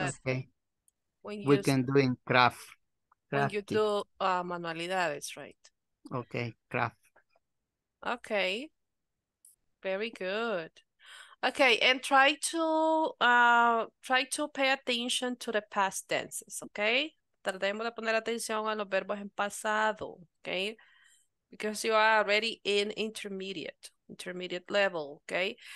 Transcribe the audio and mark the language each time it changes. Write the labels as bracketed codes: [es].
[en] Okay. We can do in craft. Crafty. When you do manualidades, right? Okay, craft. Okay. Very good. Okay, and try to pay attention to the past tenses, okay? [es] Tratemos de poner atención a los verbos en pasado, okay? [en] Because you are already in intermediate level, okay?